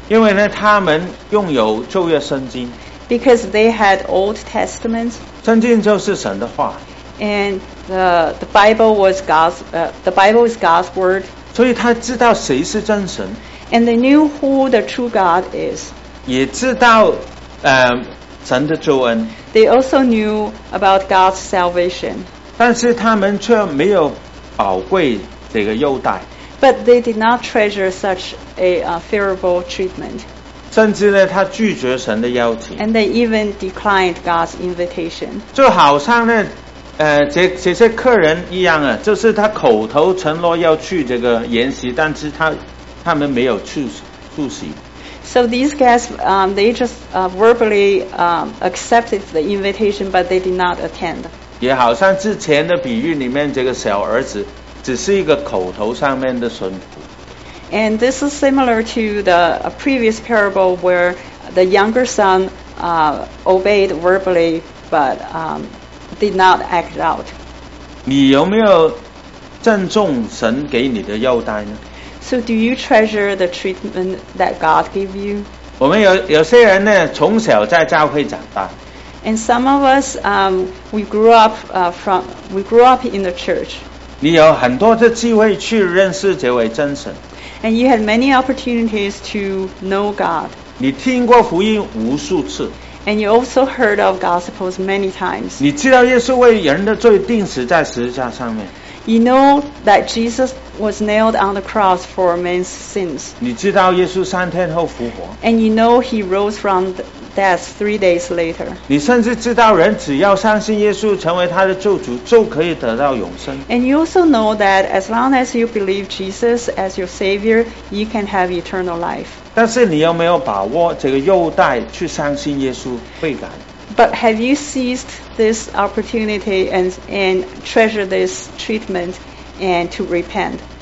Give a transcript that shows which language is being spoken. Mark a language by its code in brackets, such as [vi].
[zh] 因为呢，他们拥有旧约圣经。 [en] Because they had Old Testament. [zh] 圣经就是神的话。 [en] And the Bible was God's the Bible is God's word. [zh] 所以他知道谁是真神。 [en] And they knew who the true God is. [zh] 也知道神的救恩。 [en] They also knew about God's salvation. [zh] 但是他们却没有宝贵这个优待。 [en] But they did not treasure such a favorable treatment. [zh] 甚至呢，他拒绝神的邀请。 [en] And they even declined God's invitation. [zh] 就好像呢，这些客人一样啊，就是他口头承诺要去这个筵席，但是他们没有出席。 [en] So these guests, they just verbally accepted the invitation, but they did not attend. [zh] 也好像之前的比喻里面这个小儿子。只是一个口头上面的顺服。 [en] And this is similar to the previous parable where the younger son obeyed verbally but did not act out. [zh] 你有没有珍重神给你的优待呢？ [en] So do you treasure the treatment that God gave you? [zh] 我们有些人呢，从小在教会长大。 [en] And some of us, we grew up in the church. [zh] 你有很多的机会去认识这位真神。 [en] And you had many opportunities to know God. [zh] 你听过福音无数次。 [en] And you also heard of gospels many times. [zh] 你知道耶稣为人的罪钉死在十字架上面。 [en] You know that Jesus was nailed on the cross for man's sins. [zh] 你知道耶稣三天后复活。 [en] And you know he rose from death 3 days later. [zh] 你甚至知道人只要相信耶稣成为他的救主就可以得到永生。 [en] And you also know that as long as you believe Jesus as your Savior, you can have eternal life. [zh] 但是你有没有把握这个优待去相信耶稣悔改？ [en] But have you seized this opportunity and treasure this treatment and to repent?